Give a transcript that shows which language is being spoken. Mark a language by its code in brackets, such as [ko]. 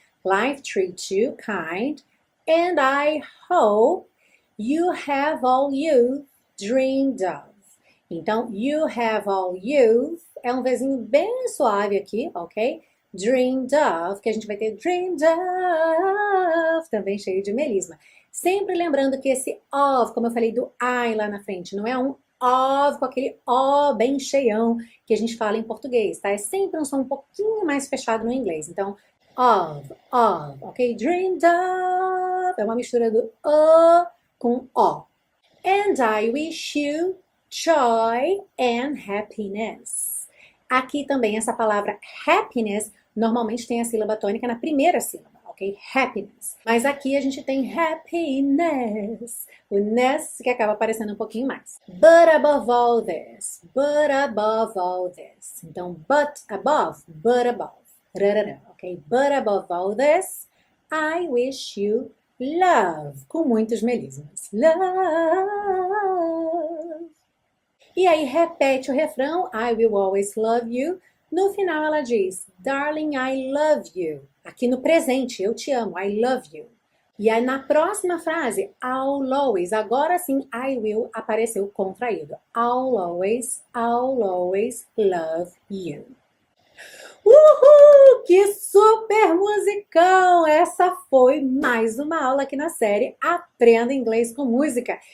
[en] Life treats you kind. And I hope you have all you dreamed of. [pt] Então, [en] you have all youth, [pt] é um vezinho bem suave aqui, ok? Dreamed of, que a gente vai ter dreamed of, também cheio de melisma. Sempre lembrando que esse of, como eu falei do I lá na frente, não é um of com aquele O bem cheião que a gente fala em português, tá? É sempre um som um pouquinho mais fechado no inglês. Então, of, of, ok? Dreamed of, é uma mistura do O com O. [en] And I wish you joy and happiness. [pt] Aqui também essa palavra happiness normalmente tem a sílaba tônica na primeira sílaba, ok? Happiness. Mas aqui a gente tem happiness. O ness que acaba aparecendo um pouquinho mais. [en] But above all this. But above all this. Então, but above. But above. Rarara, ok? But above all this, I wish you love. [pt] Com muitos melismas. Love. E aí repete o refrão, [en] I will always love you. [pt] No final ela diz, [en] darling, I love you. [pt] Aqui no presente, eu te amo, [en] I love you. [pt] E aí na próxima frase, I'll always, agora sim, I will apareceu contraído. [en] I'll always love you. [pt] Uhul, que super musicão! Essa foi mais uma aula aqui na série Aprenda Inglês com Música.